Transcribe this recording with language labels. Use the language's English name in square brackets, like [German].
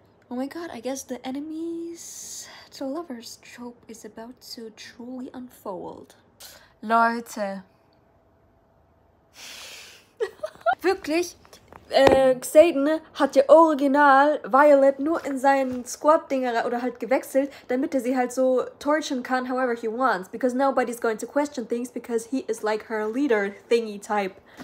[English] Oh my God, I guess the enemies to lovers trope is about to truly unfold. [German] Leute. Wirklich, Xaden hat ja original Violet nur in seinen Squad-Dinger oder halt gewechselt, damit er sie halt so torturen kann, [English] however he wants. Because nobody's going to question things, because he is like her leader thingy type.